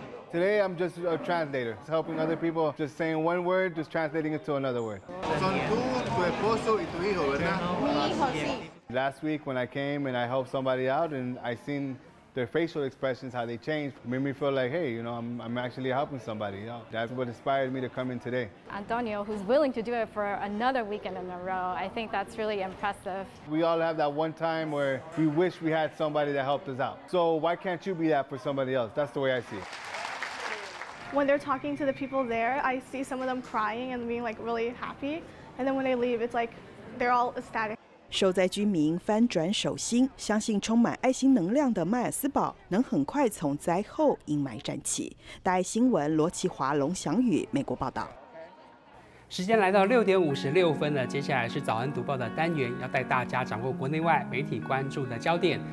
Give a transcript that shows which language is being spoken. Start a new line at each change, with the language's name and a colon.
English: Today I'm just a translator, just helping other people, just saying one word, just translating it to another word.
Spanish: Son tú, tu esposo y tu hijo, ¿verdad?
English: Last week when I came and I helped somebody out and I seen their facial expressions, how they changed, made me feel like, hey, you know, I'm actually helping somebody out. That's what inspired me to come in today. Antonio, who's willing to do it for another weekend in a row, I think that's really impressive. We all have that one time where we wish we had somebody that helped us out. So why can't you be that for somebody else? That's the way I see it. When they're talking to the people there, I see some of them crying and being like really happy. And then when they leave, it's like they're all ecstatic.
Chinese: 受灾居民翻转手心，相信充满爱心能量的麦尔斯堡能很快从灾后阴霾站起。大爱新闻罗其华、龙翔宇，美国报道。时间来到6:56了，接下来是早安读报的单元，要带大家掌握国内外媒体关注的焦点。